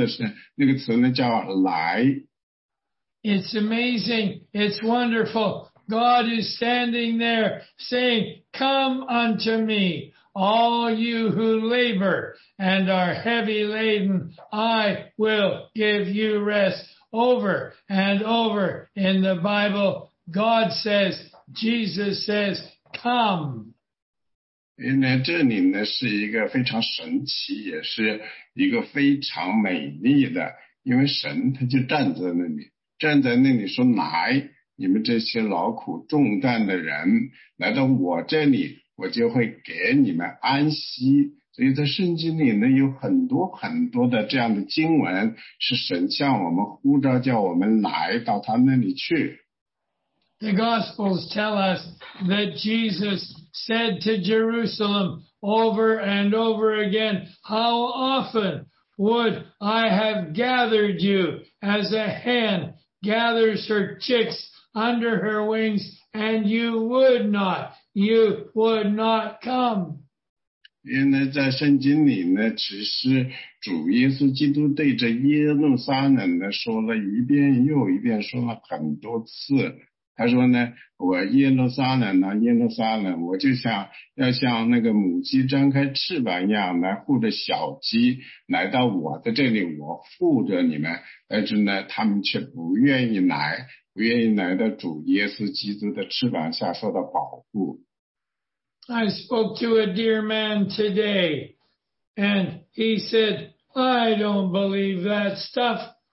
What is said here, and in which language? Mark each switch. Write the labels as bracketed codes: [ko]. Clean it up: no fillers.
[zh] 另外一个词呢，它也是描绘了这个从宽路离开，离开走上窄路的是那个词呢叫来。 [en] It's amazing. It's wonderful. God is standing there saying, come unto me. All you who labor and are heavy laden, I will give you rest. Over and over in the Bible, God says, Jesus says, come. [zh] 因为这里呢, 是一个非常神奇, 也是一个非常美丽的, 因为神他就站在那里, 站在那里说来, 你们这些劳苦重担的人, 来到我这里, 我就会给你们安息。所以在圣经里呢, 有很多很多的这样的经文, 是神向我们呼召, 叫我们来到他那里去。 [en] The Gospels tell us that Jesus said to Jerusalem over and over again, how often would I have gathered you as a hen gathers her chicks under her wings, and you would not come. [zh] 因为在圣经里呢, 其实主耶稣基督对着耶路撒冷呢, 说了一遍又一遍, 说了很多次, 他说呢, 我耶路撒冷啊, 耶路撒冷, 我就像, 要像那个母鸡张开翅膀一样来, 护着小鸡, 来到我的这里, 我护着你们, 但是呢, 他们却不愿意来, 愿意来到主耶稣基督的翅膀下受到保护。 [en] I spoke to a dear man today, and he said, I don't believe that stuff.